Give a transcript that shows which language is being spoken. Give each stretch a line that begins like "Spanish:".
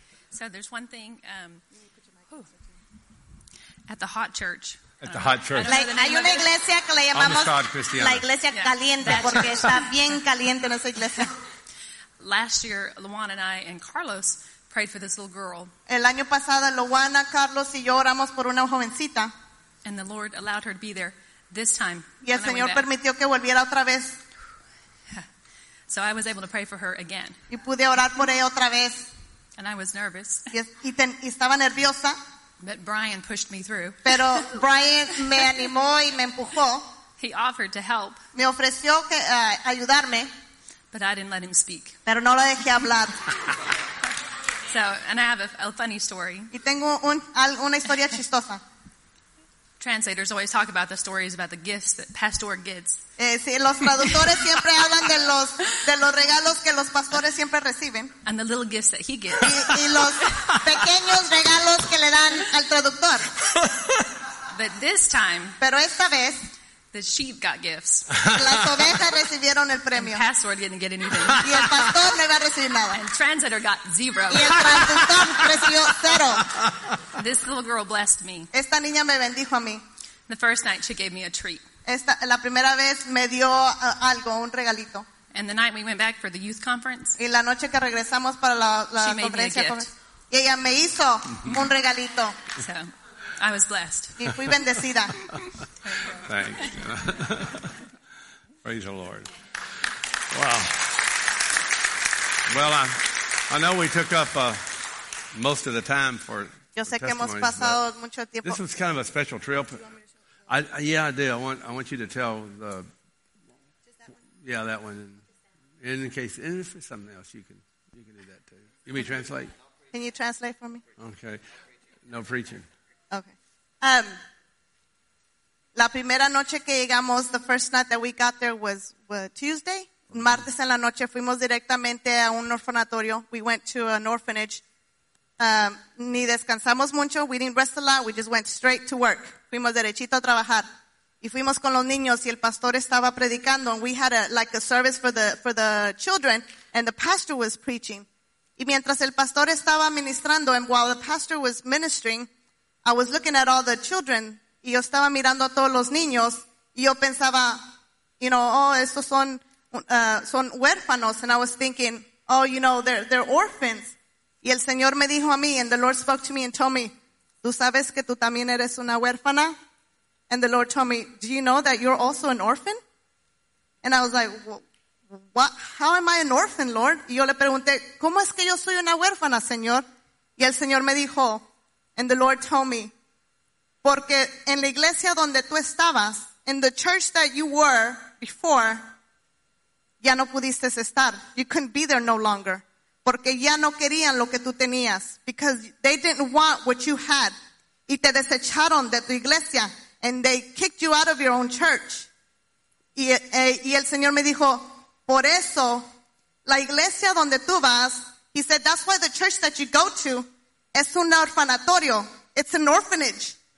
English: So there's one thing. At the hot church, It's a hot church.
Spanish: Like, hay una iglesia que le llamamos la iglesia caliente porque está bien caliente nuestra iglesia.
English: Last year, Luana and I and Carlos prayed for this little girl.
Spanish: El año pasado, Luana, Carlos y yo oramos por una jovencita.
English: And the Lord allowed her to be there this time.
Spanish: Y el Señor permitió que volviera otra vez.
English: So I was able to pray for her again.
Spanish: Y pude orar por ella otra vez.
English: And I was nervous.
Spanish: Y estaba nerviosa.
English: But Brian pushed me through.
Spanish: Pero Brian me animó y me empujó.
English: He offered to help.
Spanish: Me ofreció que ayudarme.
English: But I didn't let him speak.
Spanish: Pero no lo dejé hablar.
English: So, and I have a funny story.
Spanish: Y tengo una historia chistosa.
English: Translators always talk about the stories about the gifts that pastor gets.
Spanish: Sí, los traductores siempre hablan de los regalos que los pastores siempre reciben.
English: And the little gifts that he gets.
Spanish: Y los pequeños regalos que le dan al traductor.
English: But this time,
Spanish: pero esta vez,
English: the sheep got gifts.
Spanish: Las ovejas recibieron el premio.
English: And pastor didn't get anything.
Spanish: Y el pastor no iba a recibir nada.
English: And translator got zero.
Spanish: Y el traductor recibió cero.
English: This little girl blessed me.
Spanish: Esta niña me bendijo a mí.
English: The first night she gave me a treat.
Spanish: La primera vez me dio algo, un regalito.
English: And the night we went back for the youth conference.
Spanish: Y la noche que regresamos para la conferencia. Y ella me hizo un regalito.
English: So, I was blessed.
Spanish: Y fui bendecida.
English: Thank you. Praise the Lord. Wow. Well, I know we took up most of the time for.
Spanish: Yo sé que hemos pasado mucho tiempo.
English: This was kind of a special trip. I do. I want you to tell the. Just that one. Yeah, that one. And if it's something else, you can do that too. You mean translate? Can you translate for me? Okay. No preaching. Okay.
Spanish: La primera noche que llegamos,
English: the first night that we got there was Tuesday.
Spanish: Martes en la noche fuimos directamente a un orfanatorio.
English: We went to an orphanage.
Spanish: Ni descansamos mucho.
English: We didn't rest a lot. We just went straight to work.
Spanish: Fuimos derechito a trabajar. Y fuimos con los niños y el pastor estaba predicando.
English: And we had a service for the children. And the pastor was preaching.
Spanish: Y mientras el pastor estaba ministrando,
English: and while the pastor was ministering, I was looking at all the children.
Spanish: Y yo estaba mirando a todos los niños. Y yo pensaba,
English: you know,
Spanish: oh, estos son huérfanos.
English: And I was thinking, oh, you know, they're orphans.
Spanish: Y el Señor me dijo a mí,
English: and the Lord spoke to me and told me,
Spanish: ¿tú sabes que tú también eres una huérfana?
English: And the Lord told me, do you know that you're also an orphan? And I was like, what? How am I an orphan, Lord?
Spanish: Y yo le pregunté, ¿cómo es que yo soy una huérfana, Señor? Y el Señor me dijo,
English: and the Lord told me,
Spanish: porque en la iglesia donde tú estabas,
English: in the church that you were before,
Spanish: ya no pudiste estar.
English: You couldn't be there no longer.
Spanish: Porque ya no querían lo que tú tenías.
English: Because they didn't want what you had.
Spanish: Y te desecharon de tu iglesia.
English: And they kicked you out of your own church.
Spanish: Y el Señor me dijo, por eso, la iglesia donde tú vas,
English: he said, that's why the church that you go to
Spanish: es un orfanatorio.
English: It's an orphanage.